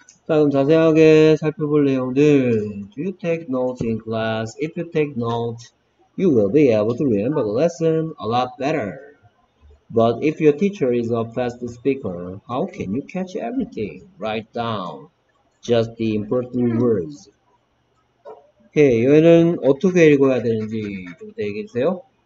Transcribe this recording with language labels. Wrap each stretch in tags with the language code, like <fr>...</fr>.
<ko>자, 그럼 자세하게 살펴볼 내용들.</ko> <en>Do you take notes in class? If you take notes, you will be able to remember the lesson a lot better. But if your teacher is a fast speaker, how can you catch everything? Write down just the important words.</en> <ko>Okay, 여기는 어떻게 읽어야 되는지 좀 얘기해주세요.</ko>